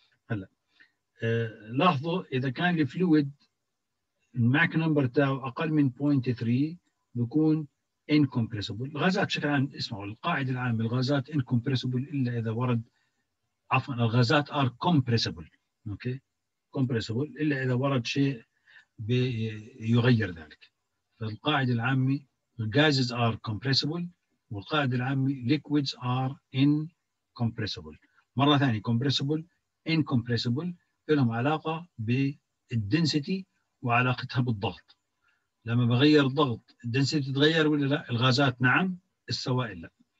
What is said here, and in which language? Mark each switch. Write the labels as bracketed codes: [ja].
[ar] هلا لاحظوا إذا كان الفلويد الماك نمبر تاعه أقل من 0.3 بيكون incompressible. الغازات بشكل عام اسمعوا القاعدة العامة الغازات incompressible إلا إذا ورد الغازات [en] are compressible. [ar] أوكي compressible إلا إذا ورد شيء بيغير ذلك. فالقاعدة العامة [en] gases are compressible [ar] والقاعدة العامة [en] liquids are incompressible. [ar] مرة ثانية compressible incompressible لهم علاقة بالdensity وعلاقتها بالضغط. لما بغير ضغط الدنسيتي تتغير ولا لا؟ الغازات نعم السوائل لا.